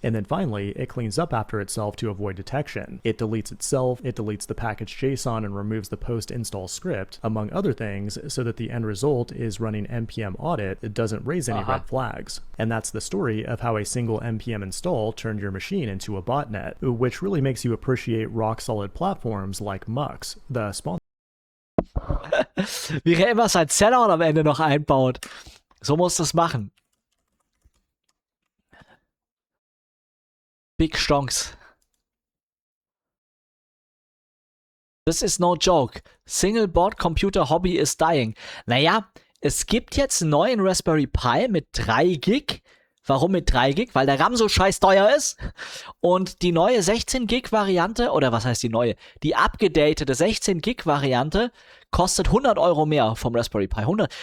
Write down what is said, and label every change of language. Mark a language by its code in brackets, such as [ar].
[en] And then finally, it cleans up after itself to avoid detection. It deletes itself, it deletes the package JSON and removes the post-install script, among other things, so that the end result is running npm audit. It doesn't raise any red flags. And that's the story of how a single NPM install turned your machine into a botnet, which really makes you appreciate rock-solid platforms like Mux, the sponsor. [de] Wie er immer sein Sellout am Ende noch einbaut. So muss das machen. [en] Big Stonks. This is no joke. Single board computer hobby is dying. [de] Naja. Es gibt jetzt einen neuen Raspberry Pi mit 3 Gig. Warum mit 3 Gig? Weil der RAM so scheiß teuer ist. Und die neue 16 Gig Variante, oder was heißt die neue? Die upgedatete 16 Gig Variante kostet 100 Euro mehr vom Raspberry Pi. 100.